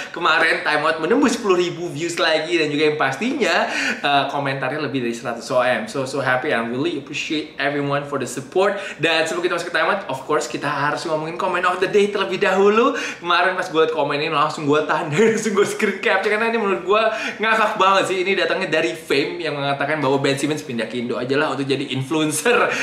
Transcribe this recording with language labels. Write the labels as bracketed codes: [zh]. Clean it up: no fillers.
[id] Kemarin Time Out menembus 10.000 views lagi, dan juga yang pastinya komentarnya lebih dari 100 OM. [en] So happy and really appreciate everyone for the support. [id] Dan sebelum kita masuk ke Time Out, [en] of course [id] kita harus ngomongin comment of the day terlebih dahulu. Kemarin pas gue liat komen ini, langsung gue tanda, langsung gue screen capture, karena ini menurut gue ngakak banget sih. Ini datangnya dari Fame yang mengatakan bahwa Ben Simmons pindah ke Indo aja lah untuk jadi influencer.